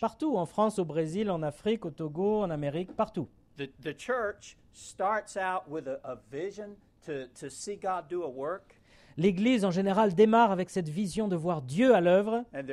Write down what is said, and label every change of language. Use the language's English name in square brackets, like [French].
[French] Partout, en France, au Brésil, en Afrique, au Togo, en Amérique, partout. [English] The church starts out with a vision to see God do a work. [French] L'Église, en général, démarre avec cette vision de voir Dieu à l'œuvre.